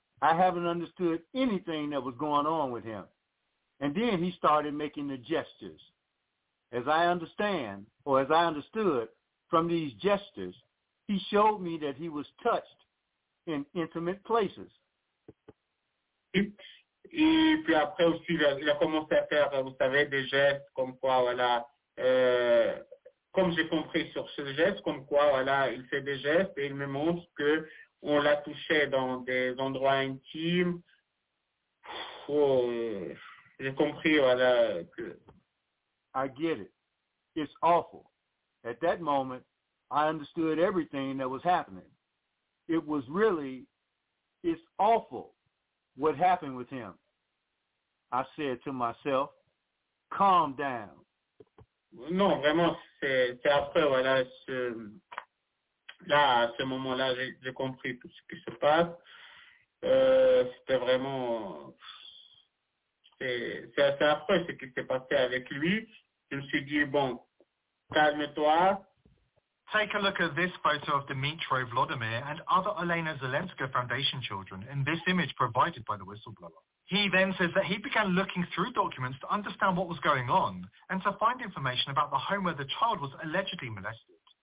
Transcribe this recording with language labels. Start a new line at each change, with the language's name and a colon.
English: I haven't understood anything that was going on with him. And then he started making the gestures. As I understood from these gestures, he showed me that he was touched in intimate places.
French: Et puis après aussi, il a commencé à faire, vous savez, des gestes comme quoi, voilà, comme j'ai compris sur ce geste, comme quoi, voilà, il fait des gestes et il me montre que on l'a touché dans des endroits intimes. J'ai compris, voilà, que...
English: I get it. It's awful. At that moment, I understood everything that was happening. It was really, it's awful what happened with him. I said to myself, calm down.
French: Non, vraiment, c'est après, voilà, là, à ce moment-là, j'ai compris tout ce qui se passe. C'était vraiment, c'est après ce qui s'est passé avec lui. Je me suis dit, bon, calme-toi.
English: Take a look at this photo of Dmitry Vladimir and other Olena Zelenska Foundation children in this image provided by the whistleblower. He then says that he began looking through documents to understand what was going on and to find information about the home where the child was allegedly molested.